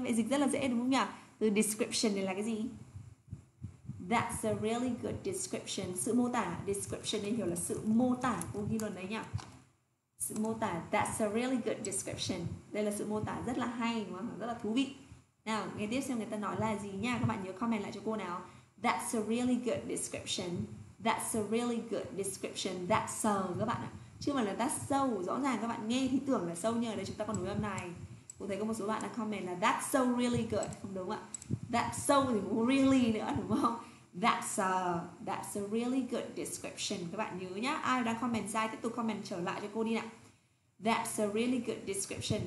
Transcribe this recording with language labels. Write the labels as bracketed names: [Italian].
[Vietnamese] Vậy dịch rất là dễ đúng không nhỉ? Từ description này là cái gì? [English] That's a really good description. [Vietnamese] Sự mô tả. Description này hiểu là sự mô tả. Cô ghi luôn đấy nhỉ? Sự mô tả. [English] That's a really good description. [Vietnamese] Đây là sự mô tả rất là hay đúng không? Rất là thú vị. Nào, nghe tiếp xem người ta nói là gì nha. Các bạn nhớ comment lại cho cô nào. [English] That's a really good description. That's a really good description. That's a, [Vietnamese] các bạn ạ. chứ mà là [English] that's so. [Vietnamese] Rõ ràng các bạn nghe thì tưởng là sâu, nhưng ở đây chúng ta còn đối âm này. Cũng thấy có một số bạn đã comment là [English] that's so really good, [Vietnamese] không đúng ạ? [English] That's so [Vietnamese] thì cũng [English] really [Vietnamese] nữa đúng không? [English] That's a really good description. [Vietnamese] Các bạn nhớ nhá, ai đang comment sai tiếp tục comment trở lại cho cô đi nè. [English] That's a really good description.